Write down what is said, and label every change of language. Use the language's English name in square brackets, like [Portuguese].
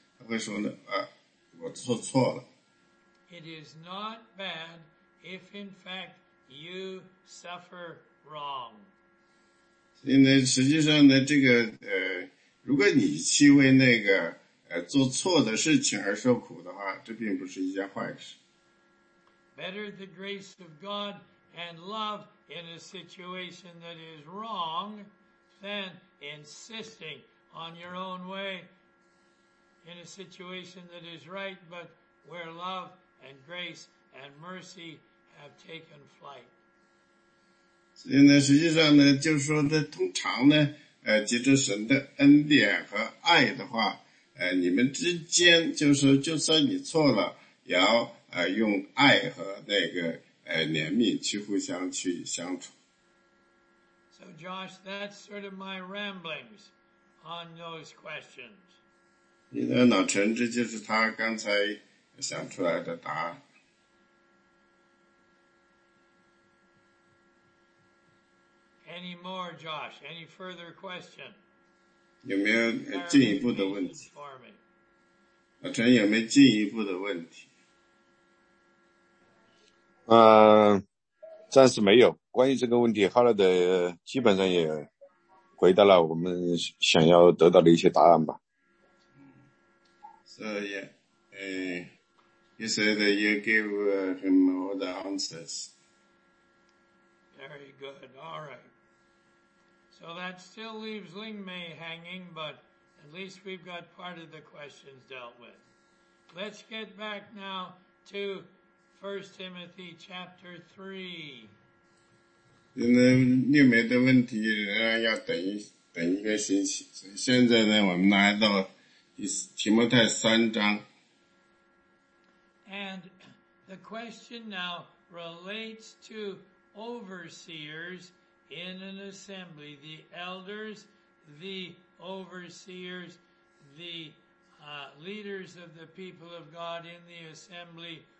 [Chinese] 他会说呢，我做错了。 [English] It is not bad if, in fact, you suffer wrong. [Chinese] 所以呢，实际上呢，这个如果你去为那个做错的事情而受苦的话，这并不是一件坏事。 [English] Better the grace of God and love in a situation that is wrong than insisting on your own way. In a situation that is right, but where love and grace and mercy have taken flight. [Chinese] 所以呢，实际上呢，就是说呢，通常呢，藉着神的恩典和爱的话，你们之间就是，就算你错了，也要用爱和那个怜悯去互相去相处。 [English] So, Josh, that's sort of my ramblings on those questions. [Chinese] 你的老陈，这就是他刚才想出来的答案。 [English] Any more, Josh? Any further question? [Chinese] 有没有进一步的问题？老陈有没有进一步的问题？暂时没有。关于这个问题，哈勒德基本上也回答了我们想要得到的一些答案吧。 [English] You said that you gave him all the answers. Very good. All right. So that still leaves Ling Mei hanging, but at least we've got part of the questions dealt with. Let's get back now to 1 Timothy chapter 3. [Chinese] 现在呢，我们来到提摩太三章。 [English] And the question now relates to overseers in an assembly, the elders, the overseers, the leaders of the people of God in the assembly.